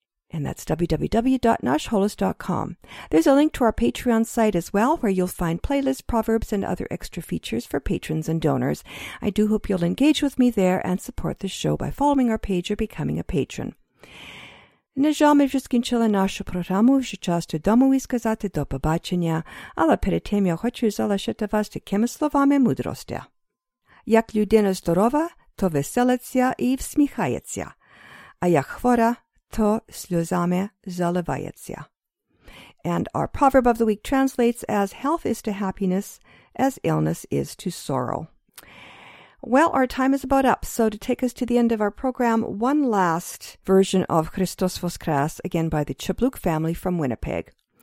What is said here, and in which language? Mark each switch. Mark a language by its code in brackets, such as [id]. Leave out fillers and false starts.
[en] And that's www.nashholos.com. There's a link to our Patreon site as well, where you'll find playlists, proverbs, and other extra features for patrons and donors. I do hope you'll engage with me there and support the show by following our page or becoming a patron. [uk] На жаль, ми вже скінчили нашу програму, вже часто домові сказати до побачення, але перед тим я хочу залишити вас такими словами мудрості. Як людина здорова, то веселиться і всміхається, а як хвора, то сльозами заливається. [en] And our proverb of the week translates as health is to happiness, as illness is to sorrow. Well, our time is about up, so to take us to the end of our program, one last version of Christos Voskres, again by the Chabluk family from Winnipeg.